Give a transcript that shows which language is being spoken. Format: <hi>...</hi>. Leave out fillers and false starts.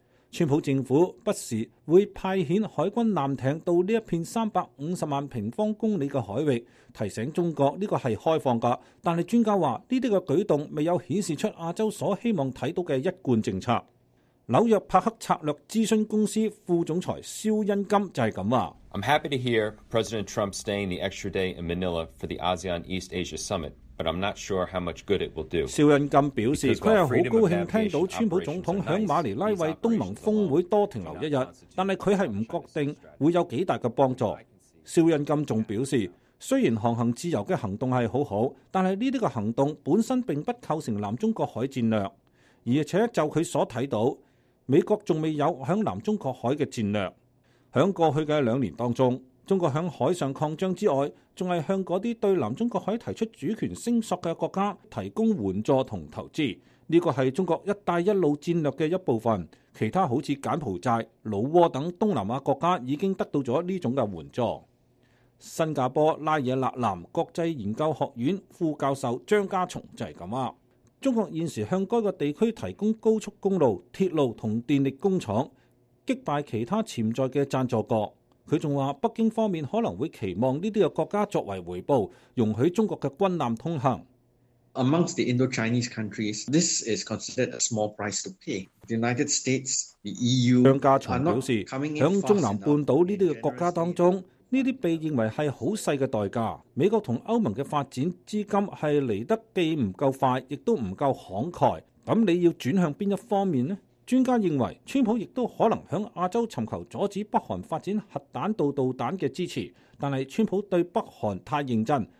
<zh>川普政府不时会派遣海军舰艇到这一片350万平方公里的海域，提醒中国这个是开放的，但是专家说这些的举动未有显示出亚洲所希望看到的一贯政策。纽约帕克策略咨询公司副总裁肖恩金就是这样说，</zh> <en>I'm happy to hear President Trump staying the extra day in Manila for the ASEAN East Asia Summit. But I'm not sure how much good it will do.</en> <zh>肖恩金表示，他是很高兴听到川普总统在马尼拉为东盟峰会多停留一日，但是他是不确定会有多大的帮助。肖恩金还表示，虽然航行自由的行动是很好，但是这些行动本身并不构成南中国海战略，而且就他所看到，美国还未有在南中国海的战略。在过去的两年当中，中国在海上扩张之外，还是向那些对南中国海提出主权声索的国家提供援助和投资，这个是中国一带一路战略的一部分。其他好像柬埔寨、老挝等东南亚国家已经得到了这种的援助。新加坡拉耶纳南国际研究学院副教授张家松就是这样，中国现时向该个地区提供高速公路、铁路和电力工厂，击败其他潜在的赞助国。他还说，北京方面可能会期望这些国家作为回报，容许中国的军舰通行。</zh> <en>Amongst the Indo-Chinese countries, this is considered a small price to pay. The United States, the EU,</en> <zh>张家松表示，在中南半岛这些国家当中，这些被认为是很小的代价。美国和欧盟的发展资金是来得既不够快，亦都不够慷慨。那你要转向哪一方面呢？专家认为，川普亦都可能在亚洲寻求阻止北韩发展核弹道导弹的支持，但是川普对北韩太认真。</zh>